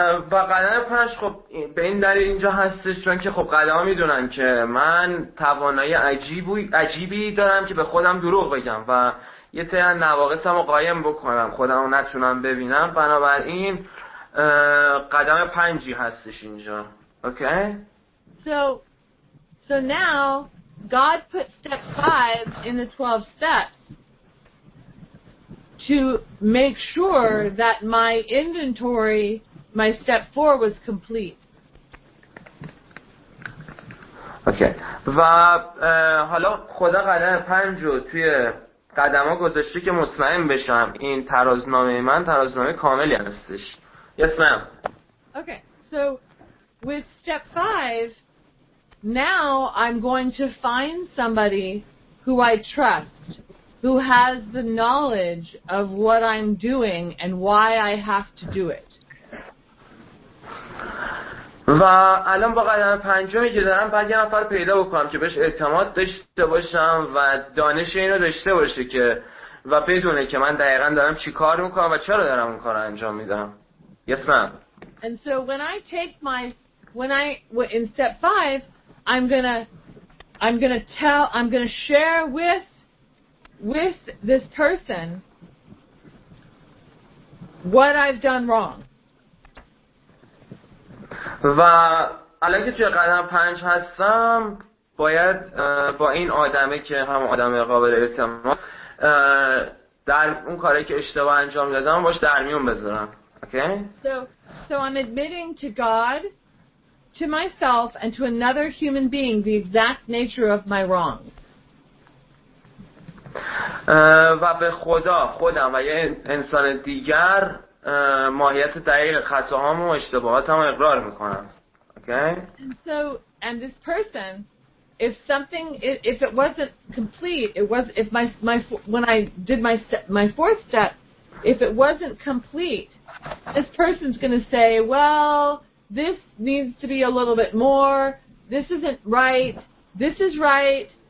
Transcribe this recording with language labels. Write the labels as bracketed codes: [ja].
[fa] و قدم 5 خب به این دلیل اینجا هستش چون که خب قدم ها میدونن که من توانایی عجیبی دارم که به خودم دروغ بگم و یه تیه نواقصم رو قایم بکنم، خودم رو نتونم ببینم، بنابراین قدم 5 هستش اینجا. اوکی؟ [en] So now God put step 5 in the 12 steps to make sure that my inventory, my step 4 was complete. [fa] اوکی. و حالا خدا قدم پنج رو توی قدم ها گذاشته که مطمئن بشم این ترازنامه من ترازنامه کاملی هستش. [en] Yes, ma'am. Okay, so with step five, now I'm going to find somebody who I trust, who has the knowledge of what I'm doing and why I have to do it. [fa] و الان با قدم پنجمی که دارم باید یه نفر پیدا بکنم که بهش اعتماد داشته باشم و دانش اینو داشته باشه که و بدونه که من دقیقا دارم چی کار میکنم و چرا دارم اون کار انجام میدم. [en] Yes, ma'am. And so when I take my in step 5 I'm going to share with this person what I've done wrong. [fa] و الان که توی قدم 5 هستم باید با این آدمه که هم آدم قابل اعتماد در اون کاری که اشتباه انجام دادم باش در میون بذارم. [en] Okay? So I'm admitting to God, to myself, and to another human being the exact nature of my wrongs. [fa] و به خدا، خودم و یه انسان دیگر ماهیت دقیق خطاهام و اشتباهاتم رو اقرار میکنم. [en] Okay? And this person, if it wasn't complete, when I did my fourth step, if it wasn't complete, this person's going to say, well, this needs to be a little bit more, this isn't right, this is right.